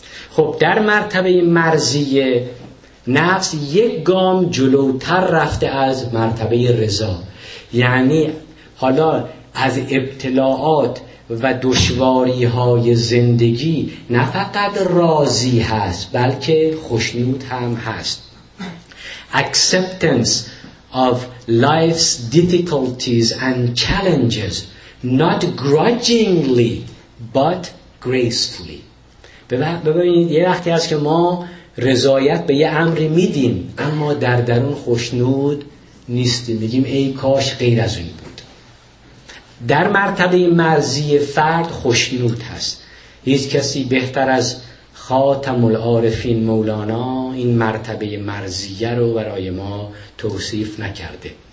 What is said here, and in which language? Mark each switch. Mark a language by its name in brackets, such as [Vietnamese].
[Persian] خب در مرتبه مرضیه نفس یک گام جلوتر رفته از مرتبه رضا، یعنی حالا از ابتلاعات و دشواری های زندگی نه فقط راضی هست بلکه خوشنود هم هست. [English] Acceptance of life's difficulties and challenges not grudgingly but gracefully. [Persian] ببینید یه وقتی هست که ما رضایت به یه امری میدیم اما در درون خوشنود نیستیم، میگیم ای کاش غیر از این بود. در مرتبه مرضی فرد خوشنود هست. هیچ کسی بهتر از خاتم العارفین مولانا این مرتبه مرضیه رو برای ما توصیف نکرده.